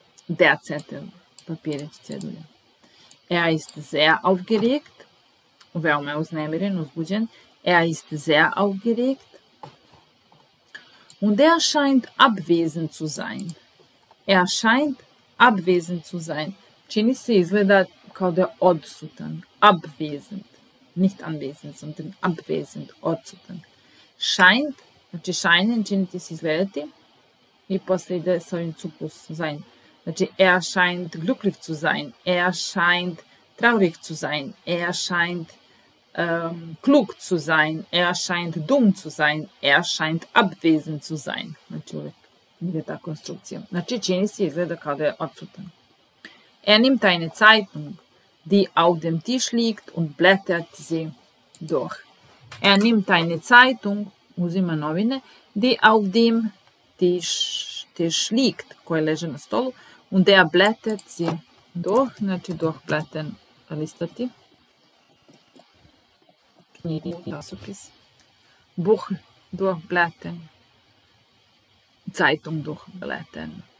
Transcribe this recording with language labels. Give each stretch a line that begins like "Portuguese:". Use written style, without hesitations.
German: Der Zettel. Papierzettel. Er ist sehr aufgeregt.
Serbian: Veoma uznemiren, uzbuđen.
German: Er ist sehr aufgeregt. Und er scheint abwesend zu sein. Er scheint abwesend zu sein.
Serbian: Čini se izgleda kao da je odsutan.
German: Abwesend. Nicht anwesend, sondern abwesend.
Serbian: Odsutan. Scheint, znači scheinen, činiti se izgledati. I posle ide sa ovim cukus sein. Znači,
German: er scheint glücklich zu sein. Er scheint traurig zu sein. Er scheint klug zu sein. Er scheint dumm zu sein. Er scheint abwesend zu sein.
Serbian: Znači, uvek ide ta konstrukcija. Znači, čini se izgleda kao da je odsutan.
German: Er nimmt eine Zeitung, die auf dem Tisch liegt und blättert sie durch. Er nimmt eine Zeitung,
Serbian: uzima novine,
German: die auf dem Tisch liegt,
Serbian: koje leže na stolu,
German: und er blättert sie durch, znači durchblättern,
Serbian: listati, knjige, časopis,
German: Buch durchblättern, Zeitung durchblättern.